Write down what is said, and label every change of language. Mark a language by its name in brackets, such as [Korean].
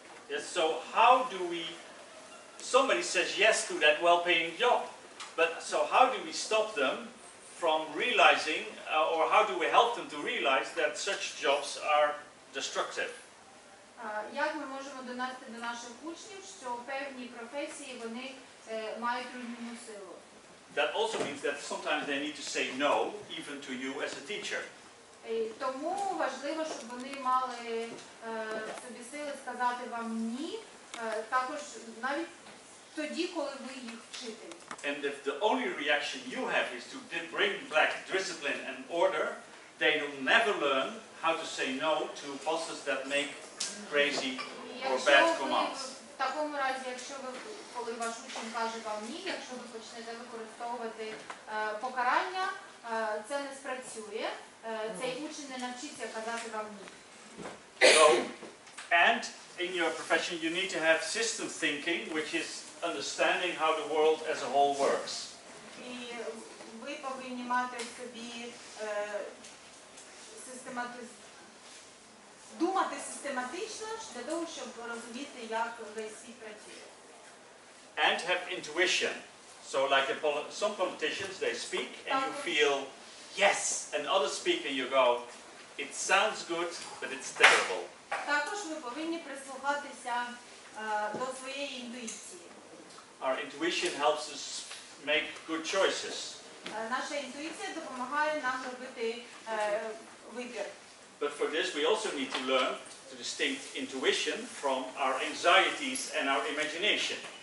[English] Yes, so how do we somebody says yes to that well-paying job, but so how do we stop them from realizing, or how do we help them to realize that such jobs are destructive? [Ukrainian] Як ми можемо донести до наших учнів, що певні професії вони мають руйнівну силу? [English] That also means that sometimes they need to say no, even to you as a teacher. [Ukrainian] Тому важливо, щоб вони мали собі сили сказати вам ні, також навіть тоді, коли ви їх вчитель. [English] And if the only reaction you have is to bring back discipline and order, they will never learn how to say no to bosses that make crazy or bad commands. [Ukrainian] В такому разі, якщо ви, коли ваш учень каже вам ні, якщо ви почнете використовувати покарання, це не спрацює. Цей учень не навчиться казати вам ні. [English] So, and in your profession you need to have system thinking, which is understanding how the world as a whole works. [Ukrainian] І ви повинні мати собі думати систематично для того, щоб розуміти, як весь світ працює. [English] And have intuition. So like some politicians, they speak and you feel yes, and others speak and you go, it sounds good, but it's terrible. [Ukrainian] Також ви повинні прислухатися до своєї інтуїції. [English] Our intuition helps us make good choices. [Ukrainian] Наша інтуїція допомагає нам робити вибір. [English] But for this we also need to learn to distinct intuition from our anxieties and our imagination.